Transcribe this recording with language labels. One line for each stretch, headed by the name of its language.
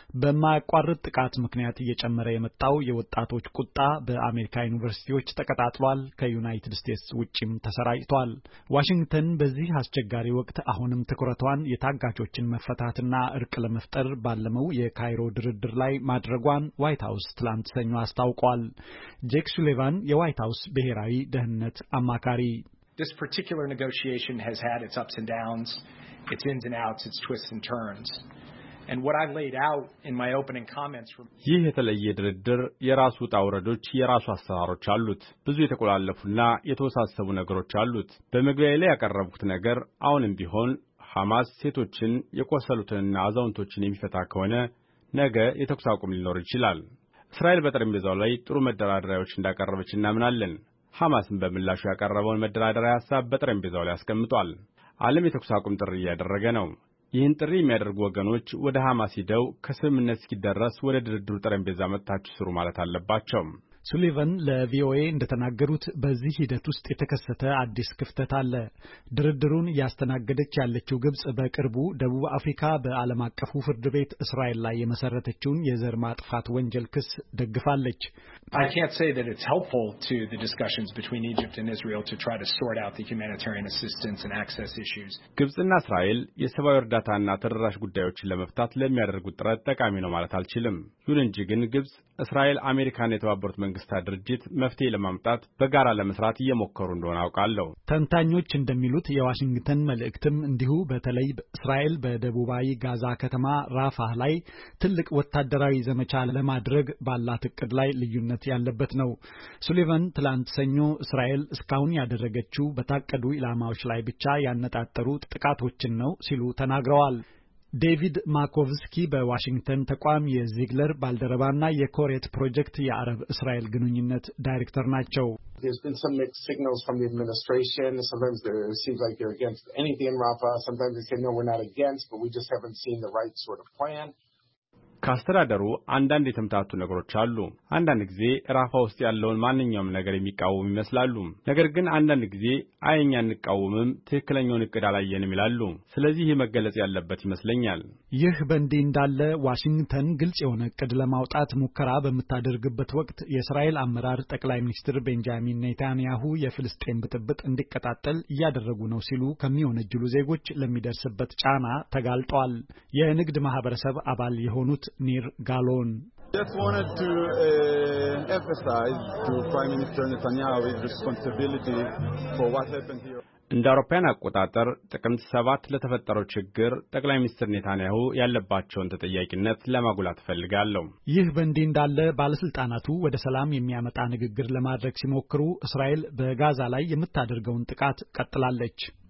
Amharic: በማያቋርጥ ጥቃት ምክንያት እየጨመረ የመጣው የወጣቶች ቁጣ በአሜሪካ ዩኒቨርሲቲዎች ተቀጣጥሏል፣ ከዩናይትድ ስቴትስ ውጪም ተሰራጭቷል። ዋሽንግተን በዚህ አስቸጋሪ ወቅት አሁንም ትኩረቷን የታጋቾችን መፈታትና እርቅ ለመፍጠር ባለመው የካይሮ ድርድር ላይ ማድረጓን ዋይት ሃውስ ትላንት ሰኞ አስታውቋል። ጄክ ሱሊቫን የዋይት ሃውስ ብሔራዊ ደህንነት አማካሪ
English: This particular negotiation has had its ups and downs, its ins and outs, its twists and turns. And what I've laid out in my opening comments from
Amharic: ይህ የተለየ ድርድር የራሱ ጣውረዶች የራሱ አሰራሮች አሉት። ብዙ የተቆላለፉና የተወሳሰቡ ነገሮች አሉት። በመግቢያዬ ላይ ያቀረብኩት ነገር አሁንም ቢሆን ሐማስ ሴቶችን የቆሰሉትንና አዛውንቶችን የሚፈታ ከሆነ ነገ የተኩስ አቁም ሊኖር ይችላል። እስራኤል በጠረጴዛው ላይ ጥሩ መደራደሪያዎች እንዳቀረበች እናምናለን። ሐማስም በምላሹ ያቀረበውን መደራደሪያ ሐሳብ በጠረጴዛው ላይ አስቀምጧል። ዓለም የተኩስ አቁም ጥሪ ያደረገ ነው። ይህን ጥሪ የሚያደርጉ ወገኖች ወደ ሐማስ ሂደው ከስምምነት እስኪደረስ ወደ ድርድሩ ጠረጴዛ መጥታችሁ ስሩ ማለት አለባቸው። ሱሊቨን ለቪኦኤ እንደተናገሩት በዚህ ሂደት ውስጥ የተከሰተ አዲስ ክፍተት አለ። ድርድሩን ያስተናገደች ያለችው ግብጽ በቅርቡ ደቡብ አፍሪካ በዓለም አቀፉ ፍርድ ቤት እስራኤል ላይ የመሰረተችውን የዘር ማጥፋት ወንጀል ክስ ደግፋለች።
English: I can't say that it's helpful to the discussions between Egypt and Israel to try to sort out the humanitarian assistance and access issues.
Amharic: ግብጽና እስራኤል የሰብአዊ እርዳታና ተደራሽ ጉዳዮችን ለመፍታት ለሚያደርጉት ጥረት ጠቃሚ ነው ማለት አልችልም። ይሁን እንጂ ግን ግብጽ እስራኤል አሜሪካን የተባበሩት መንግስታት ድርጅት መፍትሄ ለማምጣት በጋራ ለመስራት እየሞከሩ እንደሆነ አውቃለሁ። ተንታኞች እንደሚሉት የዋሽንግተን መልእክትም እንዲሁ በተለይ እስራኤል በደቡባዊ ጋዛ ከተማ ራፋህ ላይ ትልቅ ወታደራዊ ዘመቻ ለማድረግ ባላት እቅድ ላይ ልዩነት ያለበት ነው። ሱሊቨን ትላንት ሰኞ እስራኤል እስካሁን ያደረገችው በታቀዱ ኢላማዎች ላይ ብቻ ያነጣጠሩ ጥቃቶችን ነው ሲሉ ተናግረዋል። ዴቪድ ማኮቭስኪ በዋሽንግተን ተቋም የዚግለር ባልደረባና የኮሬት ፕሮጀክት የአረብ እስራኤል ግንኙነት ዳይሬክተር ናቸው።
English: There's been some mixed signals from the administration. Sometimes it seems like they're against anything in Rafah. Sometimes they say no, we're not against, but we just haven't seen the right sort of plan.
Amharic: ካስተዳደሩ አንዳንድ የተምታቱ ነገሮች አሉ። አንዳንድ ጊዜ ራፋ ውስጥ ያለውን ማንኛውም ነገር የሚቃወም ይመስላሉ። ነገር ግን አንዳንድ ጊዜ አይኛን እንቃወምም ትክክለኛውን እቅድ አላየንም ይላሉ። ስለዚህ ይህ መገለጽ ያለበት ይመስለኛል። ይህ በእንዲህ እንዳለ ዋሽንግተን ግልጽ የሆነ እቅድ ለማውጣት ሙከራ በመታደርግበት ወቅት የእስራኤል አመራር ጠቅላይ ሚኒስትር ቤንጃሚን ኔታንያሁ የፍልስጤም ብጥብጥ እንዲቀጣጠል ያደረጉ ነው ሲሉ ከሚወነጅሉ ዜጎች ለሚደርስበት ጫና ተጋልጧል። የንግድ ማህበረሰብ አባል የሆኑ ኒር ጋሎን
English: just wanted to emphasize to prime minister netanyahu his responsibility for what happened here
Amharic: እንደ አውሮፓውያን አቆጣጠር ጥቅምት 7 ለተፈጠረው ችግር ጠቅላይ ሚኒስትር ኔታንያሁ ያለባቸውን ተጠያቂነት ለማጉላት ፈልጋለሁ። ይህ በእንዲህ እንዳለ ባለስልጣናቱ ወደ ሰላም የሚያመጣ ንግግር ለማድረግ ሲሞክሩ እስራኤል በጋዛ ላይ የምታደርገውን ጥቃት ቀጥላለች።